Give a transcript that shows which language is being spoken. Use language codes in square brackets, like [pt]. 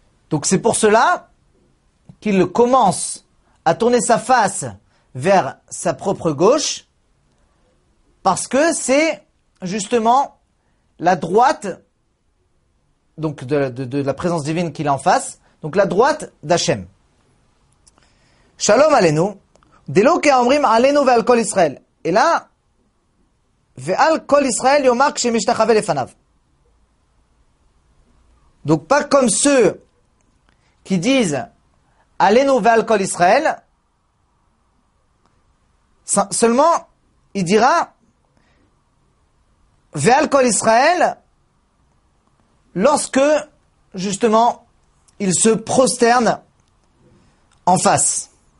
[fr] Donc c'est pour cela qu'il commence à tourner sa face vers sa propre gauche, parce que c'est justement la droite, donc de la présence divine qu'il a en face, donc la droite d'Hachem. [he] Shalom aleinu, delo ke'amrim aleinu ve'al kol Israël. [fr] Et là, [he] ועל כל ישראל יאמר כשמשתחווה לפניו. [fr] Donc pas comme ceux qui disent allez-nous [he] ועל כל ישראל, [fr] seulement il dira ועל כל ישראל lorsque justement il se prosterne en face.